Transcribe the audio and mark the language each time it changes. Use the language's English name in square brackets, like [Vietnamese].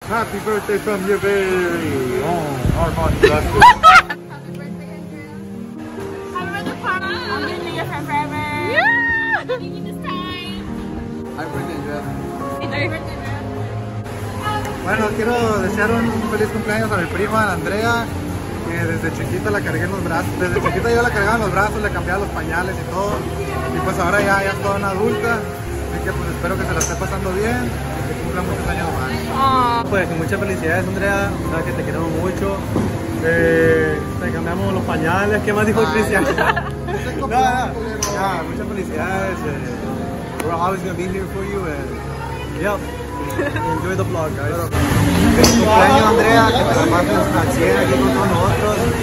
[English] Happy birthday from your very own Armani Dustin. Happy birthday, Andrew. Happy birthday, Papa. I'm going to be your friend forever. Yeah! [Spanish] Bueno, quiero desear un feliz cumpleaños a mi prima Andrea, que desde chiquita la cargué en los brazos. Desde chiquita yo la cargaba en los brazos, le cambiaba los pañales y todo. Y pues ahora ya es toda una adulta. Así que pues espero que se la esté pasando bien y que cumpla muchos años más. Pues muchas felicidades, Andrea. Sabes que te queremos mucho. Te cambiamos los pañales. ¿Qué más dijo Cristian? Muchas felicidades. [English] We're always gonna be here for you and yep. Enjoy the vlog, guys. [Spanish] Feliz Andrea, que te la pases a 100 aquí con todos nosotros.